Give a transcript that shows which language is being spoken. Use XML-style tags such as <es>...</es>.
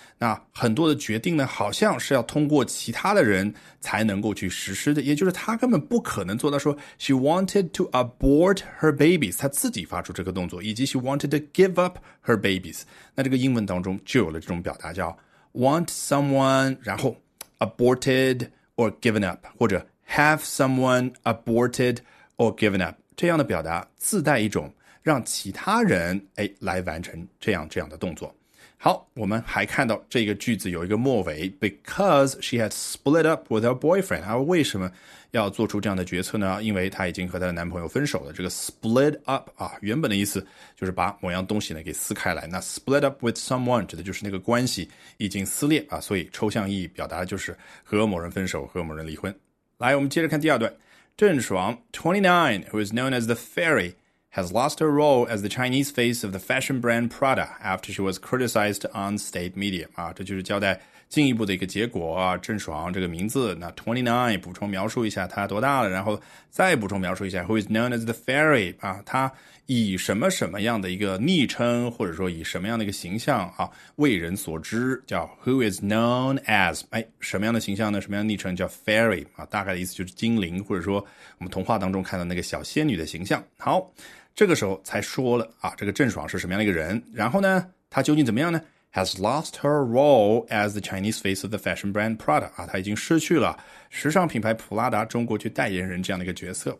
<zh>那很多的决定呢好像是要通过其他的人才能够去实施的，也就是她根本不可能做到说</zh> <en>she wanted to abort her babies,</en> <zh>她自己发出这个动作，以及</zh> <en>she wanted to give up her babies,</en> <zh>那这个英文当中就有了这种表达叫</zh> <en>want someone,</en> <zh>然后</zh> <en>aborted or given up,</en> <zh>或者</zh> <en>have someone aborted or given up,</en> <zh>这样的表达自带一种让其他人、哎、来完成这样的动作。好，我们还看到这个句子有一个末尾 ，</zh> <en>because she had split up with her boyfriend。</en> <zh>而为什么要做出这样的决策呢？因为她已经和她的男朋友分手了。这个 split up 啊，原本的意思就是把某样东西呢给撕开来。那</zh> <en>split up with someone</en> <zh>指的就是那个关系已经撕裂啊，所以抽象意义表达的就是和某人分手，和某人离婚。来，我们接着看第二段。</zh> <en>郑爽 ，29, who is known as the fairy. Has lost her role as the Chinese face of the fashion brand Prada after she was criticized on state media.</en> <zh>啊，这就是交代进一步的一个结果啊。郑爽这个名字，那 29 补充描述一下她多大了，然后再补充描述一下</zh> <en>who is known as the fairy</en> <zh>啊，她以什么什么样的一个昵称，或者说以什么样的一个形象啊为人所知，叫</zh> <en>who is known as</en> <zh>哎，什么样的形象呢？什么样的昵称叫 fairy 啊？大概的意思就是精灵，或者说我们童话当中看到那个小仙女的形象。好，这个时候才说了啊，这个郑爽是什么样的一个人？然后呢，她究竟怎么样呢？</zh> <en>Has lost her role as the Chinese face of the fashion brand Prada.</en> <zh>啊，她已经失去了时尚品牌普拉达中国区代言人这样的一个角色。</zh>